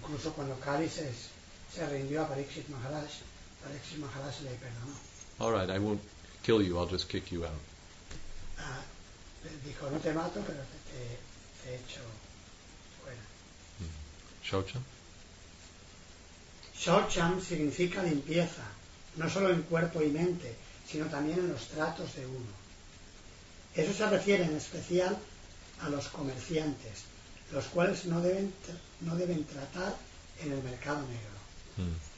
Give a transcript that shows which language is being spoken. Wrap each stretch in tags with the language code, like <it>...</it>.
<es>Incluso cuando Kali se rindió a Parikshit Maharaj, Parikshit Maharaj le perdonó.</es> <en>All right, I won't kill you, I'll just kick you out.</en> <es>Dijo, no te mato, pero te echo fuera. Shocham? Shocham significa limpieza, no solo en cuerpo y mente, sino también en los tratos de uno. Eso se refiere en especial a los comerciantes, los cuales no deben tratar en el mercado negro.</es>